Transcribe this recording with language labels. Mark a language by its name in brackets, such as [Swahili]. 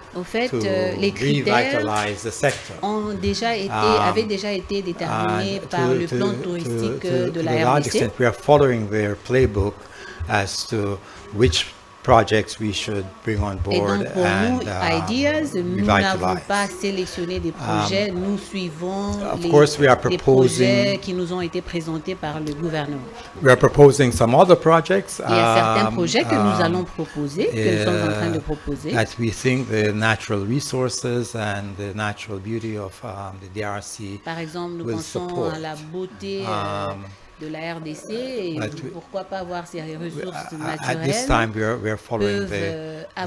[French] En fait, les critères avaient déjà été déterminés par le plan touristique de la RDC. [English] Extent, we are following their playbook as to which projects we should bring on board. [French] Et donc, pour nous, IDEAS, nous n'avons pas sélectionné des projets. Nous suivons les projets qui nous ont été présentés par le gouvernement. [English] We are proposing some other projects. [French] Il y a certains projets que nous allons proposer, que nous sommes en train de proposer. [English] That we think the natural resources and the natural beauty of the DRC. [French] Par exemple, nous pensons à la beauté. De la RDC et pourquoi pas avoir ces ressources naturelles